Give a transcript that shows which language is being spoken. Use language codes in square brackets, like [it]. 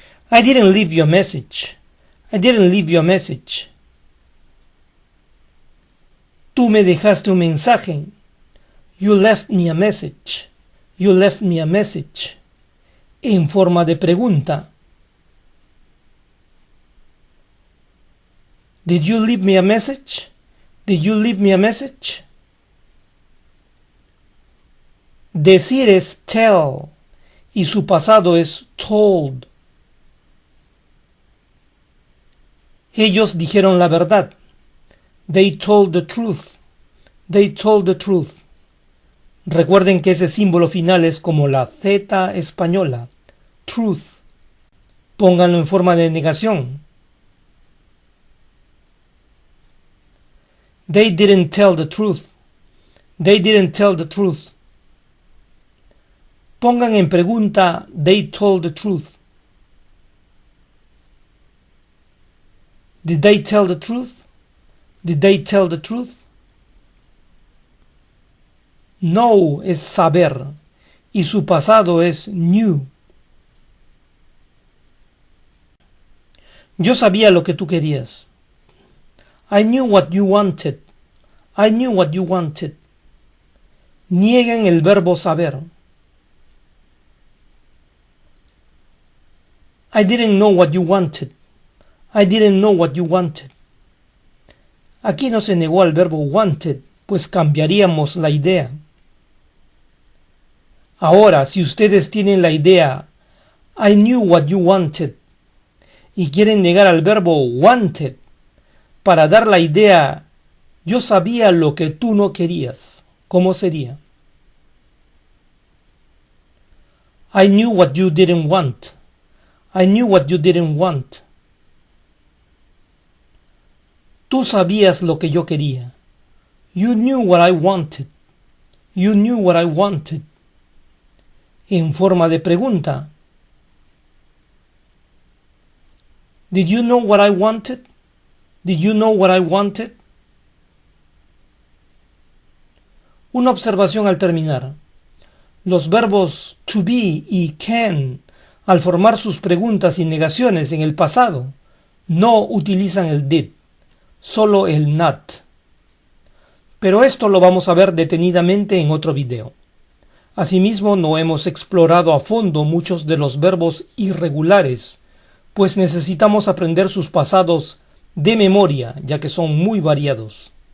[en] I didn't leave you a message. I didn't leave you a message. [es] Tú me dejaste un mensaje. [en] You left me a message. You left me a message. [es] En forma de pregunta. [en] Did you leave me a message? Did you leave me a message? [es] Decir es tell y su pasado es told. Ellos dijeron la verdad. [en] They told the truth. They told the truth. [es] Recuerden que ese símbolo final es como la Z española. Truth. Pónganlo en forma de negación. [en] They didn't tell the truth. They didn't tell the truth. [es] Pongan en pregunta, [en] they told the truth. Did they tell the truth? Did they tell the truth? [es] Know es saber, y su pasado es knew. Yo sabía lo que tú querías. [en] I knew what you wanted. I knew what you wanted. [es] Nieguen el verbo saber. [en] I didn't know what you wanted. I didn't know what you wanted. [es] Aquí no se negó al verbo wanted, pues cambiaríamos la idea. Ahora, si ustedes tienen la idea [en] I knew what you wanted [es] y quieren negar al verbo wanted para dar la idea yo sabía lo que tú no querías, ¿cómo sería? [en] I knew what you didn't want. I knew what you didn't want. [es] Tú sabías lo que yo quería. [en] You knew what I wanted. You knew what I wanted. [es] En forma de pregunta. [en] Did you know what I wanted? Did you know what I wanted? [es] Una observación al terminar. Los verbos to be y can, al formar sus preguntas y negaciones en el pasado, no utilizan el did, solo el not. Pero esto lo vamos a ver detenidamente en otro video. Asimismo, no hemos explorado a fondo muchos de los verbos irregulares, pues necesitamos aprender sus pasados de memoria, ya que son muy variados.